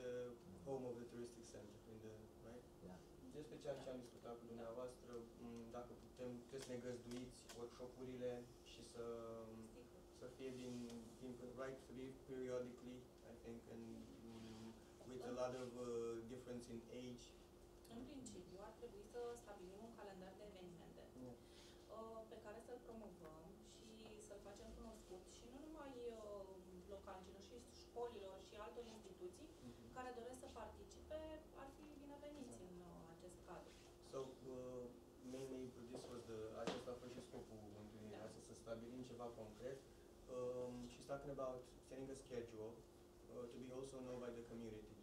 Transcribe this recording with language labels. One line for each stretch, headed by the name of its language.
English: the home of the touristic center, in the, right? Yeah.
Romanian: Despre ceea ce am discutat cu dumneavoastră, dacă putem, trebuie să ne găzduiți workshop-urile și să fie din
English: right to be periodically, I think, and with a lot of difference in age.
Romanian: În principiu, ar trebui să stabilim un calendar de evenimente pe care să-l promovăm și să-l facem cunoscut și nu numai localilor, și școlilor și altor instituții care doresc să participe, ar fi bineveniți în acest cadru.
English: So, mainly this was the,
Romanian: acesta a fost și scopul întâlnirii noastre, să stabilim ceva concret.
English: She's talking about setting a schedule to be also known by the community.